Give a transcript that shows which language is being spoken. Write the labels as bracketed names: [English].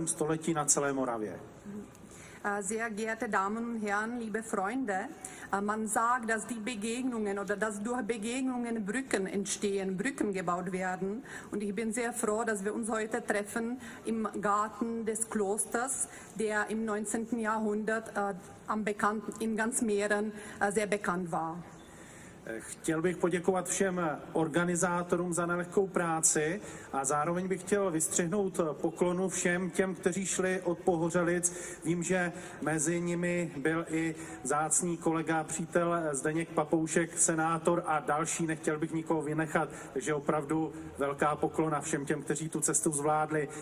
[Czech] století na celé Moravě. [German] Sehr geehrte Damen und Herren, liebe Freunde, man sagt, dass die Begegnungen oder dass durch Begegnungen Brücken entstehen, Brücken gebaut werden. Und ich bin sehr froh, dass wir uns heute treffen im Garten des Klosters, der im 19. Jahrhundert in ganz Mähren sehr bekannt war. [Czech] Chtěl bych poděkovat všem organizátorům za nelehkou práci a zároveň bych chtěl vystřihnout poklonu všem těm, kteří šli od Pohořelic. Vím, že mezi nimi byl i vzácný kolega, přítel Zdeněk Papoušek, senátor a další, nechtěl bych nikoho vynechat, takže opravdu velká poklona všem těm, kteří tu cestu zvládli.